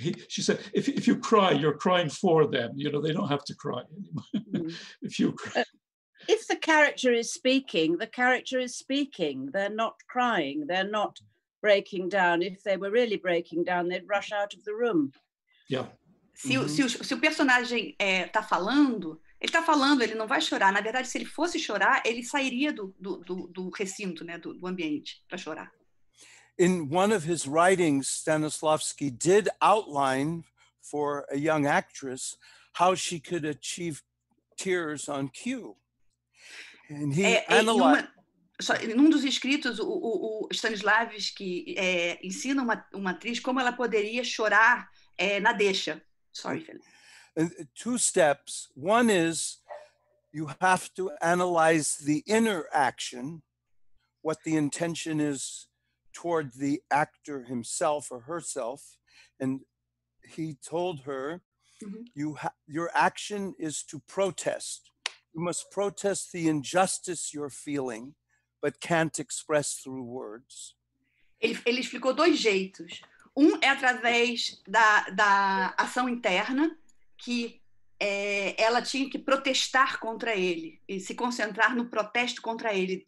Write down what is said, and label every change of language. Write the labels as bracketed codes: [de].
[en] She said, if you cry, you're crying for them. You know, they don't have to cry anymore. If you cry. If the character is speaking, the character is speaking. They're not crying. They're not breaking down. If they were really breaking down, they'd rush out of the room. Yeah. [pt] Se o personagem está falando, ele está falando, ele não vai chorar. Na verdade, se ele fosse chorar, ele sairia do recinto, né, do ambiente, para chorar. [en] In one of his writings, Stanislavski did outline for a young actress how she could achieve tears on cue. And he analyzed. [pt] Em dos escritos, o Stanislavski ensina uma atriz como ela poderia chorar na deixa. [en] Sorry, Felipe. Two steps. One is you have to analyze the inner action, what the intention is toward the actor himself or herself, and he told her, your action is to protest. You must protest the injustice you're feeling, but can't express through words. [pt] Ele explicou dois jeitos. Um é através da ação interna, que ela tinha que protestar contra ele e se concentrar no protesto contra ele.